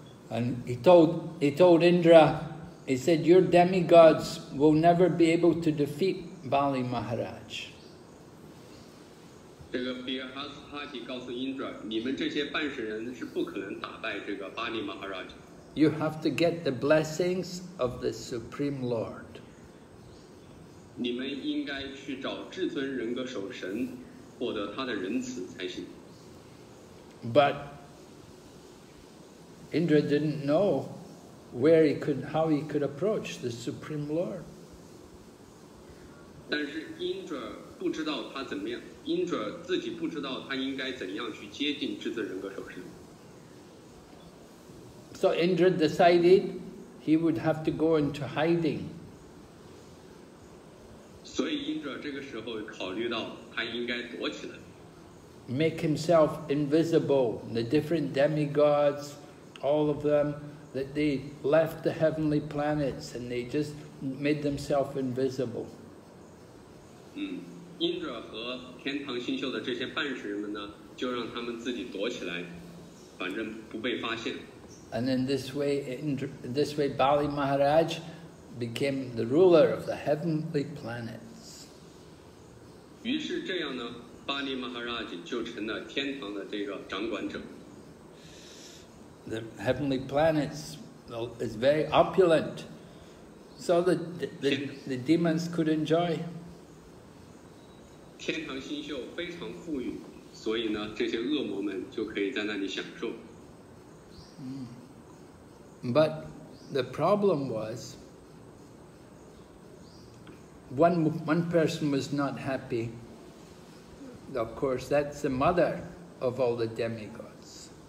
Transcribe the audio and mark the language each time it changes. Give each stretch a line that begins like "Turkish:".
English: And he told Indra, he said, "Your demigods will never be able to defeat Bali Maharaj."
Chinese: 这个 Brihaspati 告诉 Indra, 你们这些半神人是不可能打败这个巴利马哈拉吉。
English: You have to get the blessings of the Supreme Lord.
Chinese: 你们应该去找至尊人格首神获得他的仁慈才行。
English: But Indra didn't know how he could approach the Supreme Lord.
Chinese: 但是 Indra不知道他怎么样，因着自己不知道他应该怎样去接近至尊人格首神。
English: So Indra decided he would have to go into hiding.
Chinese: 所以 Indra 这个时候考虑到他应该躲起来。
English: Make himself invisible, the different demigods, all of them, that they left the heavenly planets and they just made themselves invisible.
Chinese: 因着和天堂星宿的这些半神们呢，就让他们自己躲起来，反正不被发现。
English: And in this way, Bali Maharaj became the ruler of the heavenly planets.
Chinese: 于是这样呢，巴利马哈拉吉就成了天堂的这个掌管者。
English: The heavenly planets is very opulent, so that the demons could enjoy.
Chinese: 天堂星宿非常富裕，所以呢，这些恶魔们就可以在那里享受。
English: But the problem was, one person was not happy. Of course, that's the mother of all the demigods.